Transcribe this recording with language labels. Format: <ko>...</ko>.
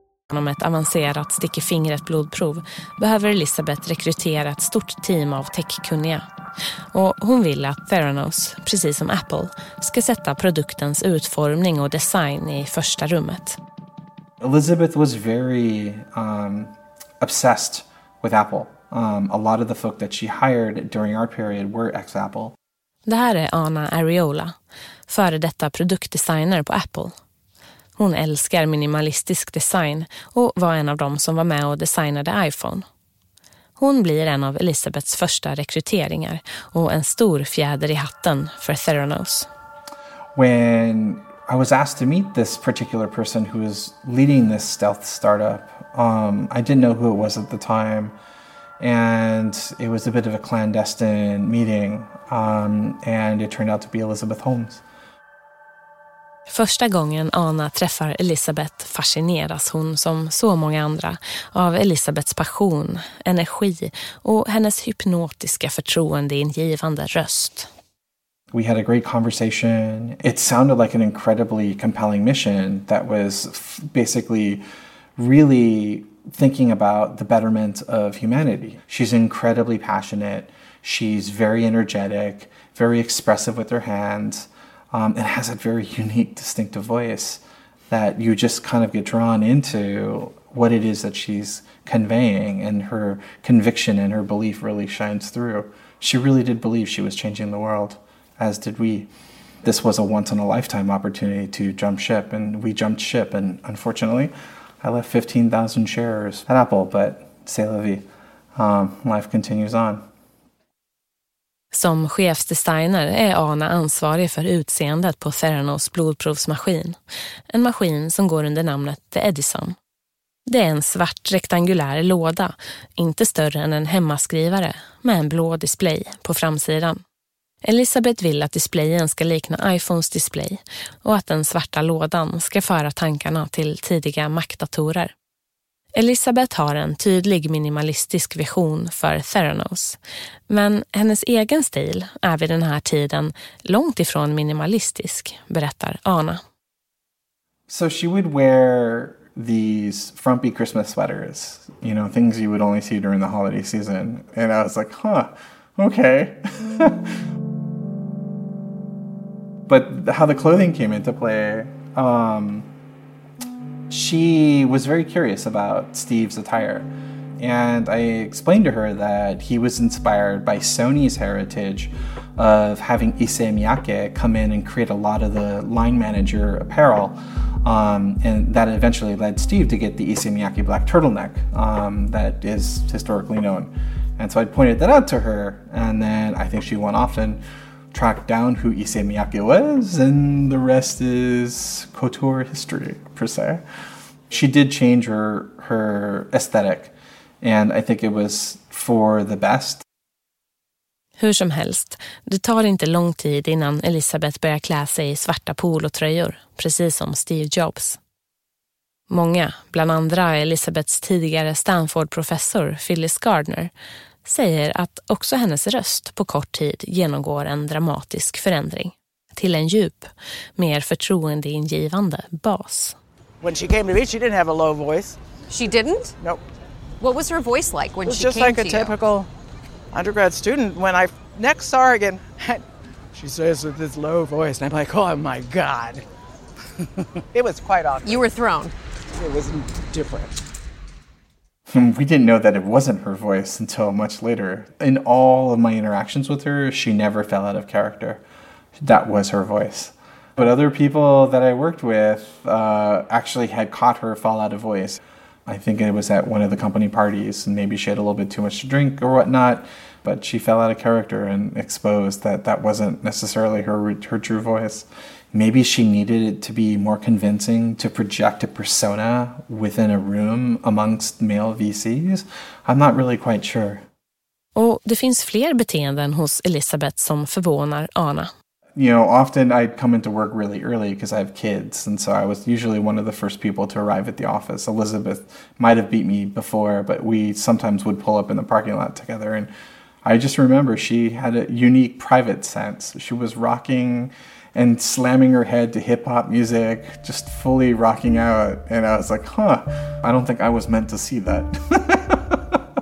<sv>Genom ett avancerat stick i fingret blodprov behöver Elisabeth rekrytera ett stort team av techkunniga. Och hon vill att Theranos, precis som Apple, ska sätta produktens utformning och design i första rummet.</sv> <en>Elizabeth was very obsessed with Apple. A lot of the folk that she hired during our period were ex-Apple.</en> <sv>Det här är Anna Ariola, före detta produktdesigner på Apple. Hon älskar minimalistisk design och var en av dem som var med och designade iPhone. Hon blir en av Elisabeths första rekryteringar och en stor fjäder i hatten för Theranos.</sv> <en>When I was asked to meet this particular person who is leading this stealth startup, I didn't know who it was at the time, and it was a bit of a clandestine meeting, and it turned out to be Elizabeth Holmes.</en> <sv>Första gången Anna träffar Elisabeth fascineras hon som så många andra av Elisabeths passion, energi och hennes hypnotiska förtroendeingivande röst.</sv> <en>We had a great conversation. It sounded like an incredibly compelling mission that was basically really thinking about the betterment of humanity. She's incredibly passionate. She's very energetic, very expressive with her hands. It has a very unique, distinctive voice that you just kind of get drawn into what it is that she's conveying, and her conviction and her belief really shines through. She really did believe she was changing the world, as did we. This was a once-in-a-lifetime opportunity to jump ship, and we jumped ship, and unfortunately, I left 15,000 shares at Apple, but c'est la vie. Life continues on.</en> <sv>Som chefsdesigner är Anna ansvarig för utseendet på Theranos blodprovsmaskin. En maskin som går under namnet The Edison. Det är en svart rektangulär låda, inte större än en hemmaskrivare, med en blå display på framsidan. Elisabeth vill att displayen ska likna iPhones display och att den svarta lådan ska föra tankarna till tidiga Mac-datorer. Elisabeth har en tydlig minimalistisk vision för Theranos, men hennes egen stil är vid den här tiden långt ifrån minimalistisk, berättar Anna.</sv> <en>So she would wear these frumpy Christmas sweaters, you know, things you would only see during the holiday season, and I was like, huh, okay. But how the clothing came into play, she was very curious about Steve's attire, and I explained to her that he was inspired by Sony's heritage of having Issey Miyake come in and create a lot of the line manager apparel, and that eventually led Steve to get the Issey Miyake black turtleneck that is historically known. And so I pointed that out to her, and then I think she went off and tracked down who Issey Miyake was, and the rest is couture history, per se. She did change her aesthetic, and I think it was for the best.</en> <sv>Hur som helst, det tar inte lång tid innan Elisabeth börjar klä sig i svarta polotröjor, precis som Steve Jobs. Många, bland andra Elisabeths tidigare Stanford-professor Phyllis Gardner, säger att också hennes röst på kort tid genomgår en dramatisk förändring till en djup, mer förtroendeingivande bas.</sv> <en>When she came to me, she didn't have a low voice. She didn't? Nope. What was her voice like when she came to you? It was just like a typical undergrad student. When I next saw her again, she says with this low voice, and I'm like, oh my god. It was quite awkward. You were thrown. It was different. We didn't know that it wasn't her voice until much later. In all of my interactions with her, she never fell out of character. That was her voice. But other people that I worked with actually had caught her fall out of voice. I think it was at one of the company parties, and maybe she had a little bit too much to drink or whatnot, but she fell out of character and exposed that that wasn't necessarily her true voice. Maybe she needed it to be more convincing to project a persona within a room amongst male VCs. I'm not really quite sure.</en> <sv>Och det finns fler beteenden hos Elisabeth som förvånar Anna.</sv> <en>You know, often I'd come into work really early because I have kids, and so I was usually one of the first people to arrive at the office. Elizabeth might have beat me before, but we sometimes would pull up in the parking lot together, and I just remember she had a unique private sense. She was rocking and slamming her head to hip-hop music, just fully rocking out, and I was like, huh, I don't think I was meant to see that.</en>